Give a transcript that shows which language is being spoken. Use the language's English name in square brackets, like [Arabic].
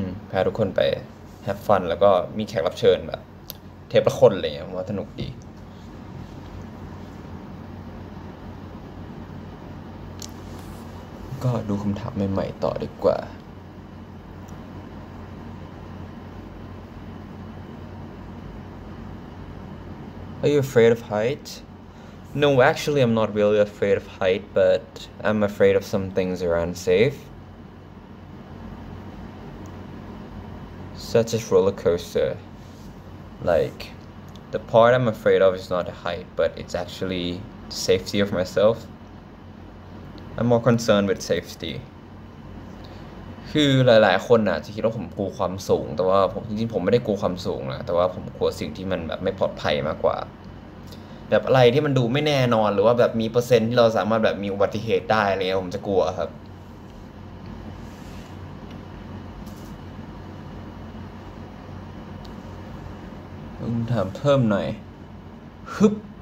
[Thai] พาทุกคนไปแฮปฟันแล้วก็มีแขกรับเชิญแบบเทพละคนอะไรเงี้ยว่าสนุกดีก็ดูคำถามใหม่ๆต่อดีกว่า [English] Are you afraid of height? No, actually, I'm not really afraid of height, but I'm afraid of some things that are unsafe. Such as roller coaster. Like, the part I'm afraid of is not the height, but it's actually the safety of myself. I'm more concerned with safety. [Thai] คือหลายๆคนอาจจะคิดว่าผมกลัวความสูงแต่ว่าผมจริงๆผมไม่ได้กลัวความสูงนะแต่ว่าผมกลัวสิ่งที่มันแบบไม่ปลอดภัยมากกว่าแบบอะไรที่มันดูไม่แน่นอนหรือว่าแบบมีเปอร์เซ็นต์ที่เราสามารถแบบมีอุบัติเหตุได้อะไรเงี้ยผมจะกลัวครับต้องถามเพิ่มหน่อยฮึบ